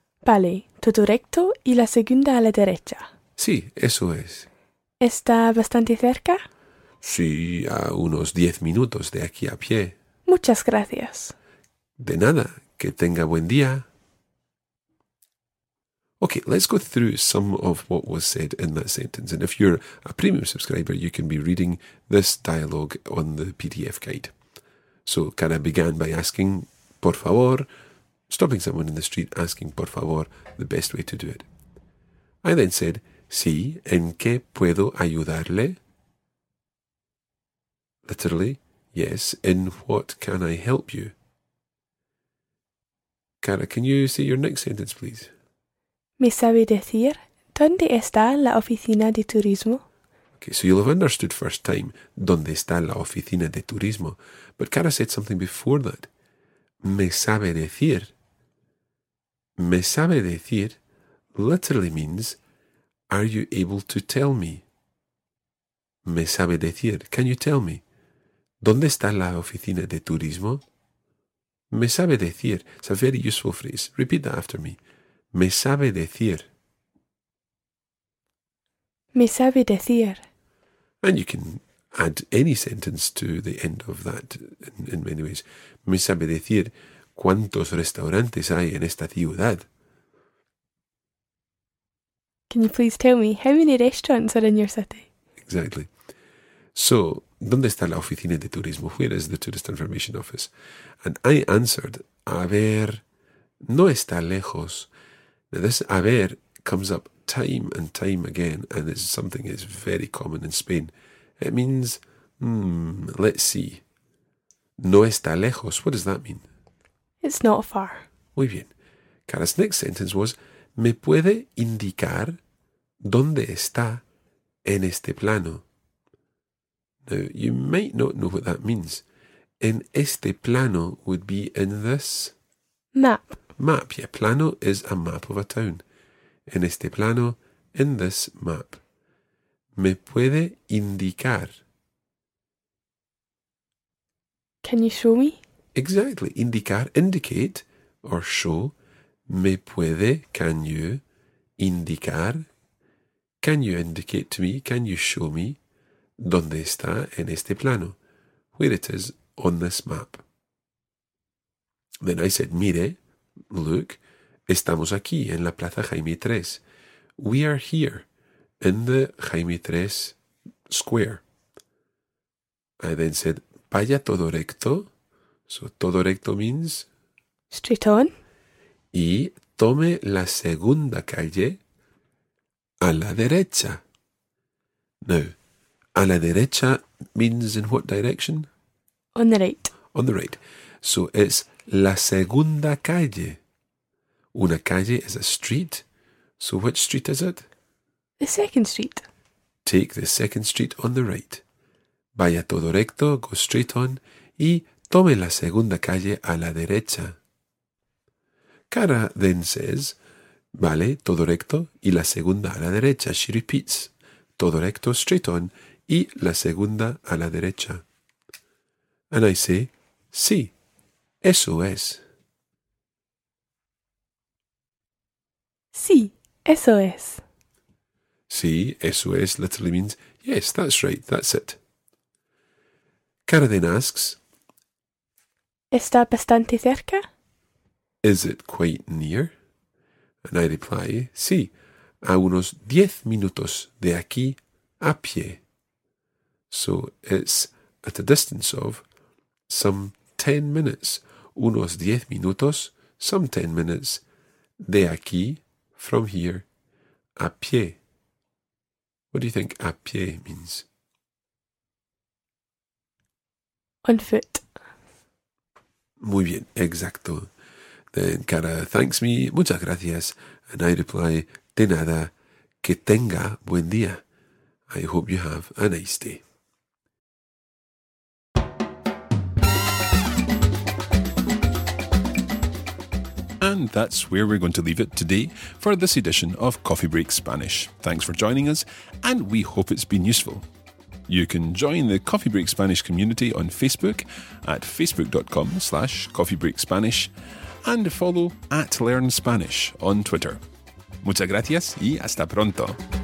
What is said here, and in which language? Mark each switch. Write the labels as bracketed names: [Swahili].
[Spanish] Vale, todo recto y la segunda a la derecha. Sí, eso es. ¿Está bastante cerca? Sí, a unos 10 minutos de aquí a pie. Muchas gracias. De nada, que tenga buen día. [English] Okay, let's go through some of what was said in that sentence. And if you're a premium subscriber, you can be reading this dialogue on the PDF guide. So Cara began by asking, [Spanish] por favor, [English] stopping someone in the street asking, por favor, the best way to do it. I then said, [Spanish] sí, ¿en qué puedo ayudarle? [English] Literally, yes, in what can I help you? Cara, can you say your next sentence, please? [Spanish] ¿Me sabe decir dónde está la oficina de turismo? [English] Okay, so you'll have understood first time, [Spanish] ¿dónde está la oficina de turismo? [English] But Cara said something before that. [Spanish] ¿Me sabe decir? ¿Me sabe decir? [English] Literally means, Are you able to tell me? [Spanish] Me sabe decir. [English] Can you tell me? [Spanish] ¿Dónde está la oficina de turismo? Me sabe decir. [English] It's a very useful phrase. Repeat that after me. [Spanish] Me sabe decir. Me sabe decir. [English] And you can add any sentence to the end of that in many ways. [Spanish] Me sabe decir cuántos restaurantes hay en esta ciudad. [English] Can you please tell me how many restaurants are in your city? Exactly. [Spanish] So, ¿dónde está la oficina de turismo? [English] Where is the tourist information office? And I answered, [Spanish] a ver, no está lejos. [English] Now this [Spanish] a ver [English] comes up time and time again, and it's something that's very common in Spain. It means, let's see. [Spanish] No está lejos. [English] What does that mean? It's not far. [Spanish] Muy bien. [English] Cara's next sentence was, [Spanish] ¿me puede indicar dónde está en este plano? [English] Now, you might not know what that means. [Spanish] En este plano [English] would be in this... map. Map, yeah. Plano is a map of a town. [Spanish] En este plano, [English] in this map. [Spanish] ¿Me puede indicar? [English] Can you show me? Exactly. Indicar, indicate, or show. [Spanish] ¿Me puede, [English] can you, [Spanish] indicar? [English] Can you indicate to me, can you show me? [Spanish] ¿Dónde está en este plano? [English] Where it is on this map. Then I said, [Spanish] mire, [English] look, [Spanish] estamos aquí en la Plaza Jaime III. [English] We are here in the Jaime III Square. I then said, [Spanish] vaya todo recto. [English] So [Spanish] todo recto [English] means... straight on. [Spanish] Y tome la segunda calle a la derecha. [English] Now, [Spanish] a la derecha [English] means in what direction? On the right. On the right. So it's [Spanish] la segunda calle. Una calle [English] is a street. So which street is it? The second street. Take the second street on the right. [Spanish] Vaya todo recto, [English] go straight on. [Spanish] Y tome la segunda calle a la derecha. [English] Cara then says, [Spanish] vale, todo recto, y la segunda a la derecha. [English] She repeats, [Spanish] todo recto, [English] straight on. [Spanish] Y la segunda a la derecha. [English] And I say, [Spanish] sí, eso es. Sí, eso es. Sí, eso es [English] literally means, yes, that's right, that's it. Cara then asks, [Spanish] ¿está bastante cerca? [English] Is it quite near? And I reply, [Spanish] sí, a unos 10 minutos de aquí a pie. [English] So it's at a distance of some 10 minutes. [Spanish] Unos 10 minutos, [English] some 10 minutes, [Spanish] de aquí, [English] from here, [Spanish] a pie. [English] What do you think [Spanish] a pie [English] means? On foot. [Spanish] Muy bien, exacto. [English] Then Cara thanks me, [Spanish] muchas gracias. [English] And I reply, [Spanish] de nada, que tenga buen día. [English] I hope you have a nice day. And that's where we're going to leave it today for this edition of Coffee Break Spanish. Thanks for joining us, and we hope it's been useful. You can join the Coffee Break Spanish community on Facebook at facebook.com/coffeebreakspanish and follow at Learn Spanish on Twitter. [Spanish] Muchas gracias y hasta pronto.